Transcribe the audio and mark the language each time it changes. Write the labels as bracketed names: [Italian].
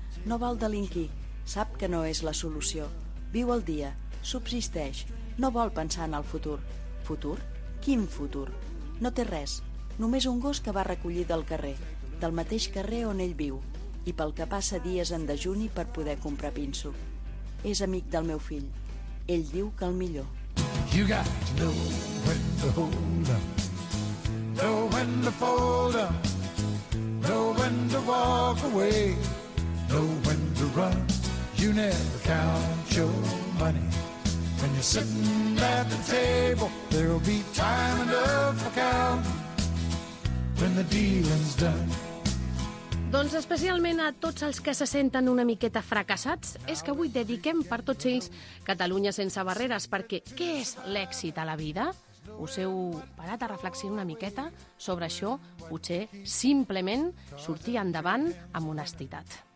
[Catalan] No vol delinquir, sap que no és la solució. Viu el dia, subsisteix, no vol pensar en el futur. Futur? Quin futur? No té res, només un gos que va recollir del carrer, del mateix carrer on ell viu, i pel que passa dies en dejuni per poder comprar pinso. És amic del meu fill. Ell diu que el millor. [English] You got to know when to hold up, know when to fold up, know when to walk away, know when to run. You never count your money when you're sitting at the table. There'll be time enough for counting when the dealing's done. [Catalan] Doncs especialment a tots els que se senten una miqueta fracassats, és que avui dediquem per tots ells Catalunya sense barreres, perquè què és l'èxit a la vida? Us heu parat a reflexionar una miqueta sobre això? Potser simplement sortir endavant amb honestitat.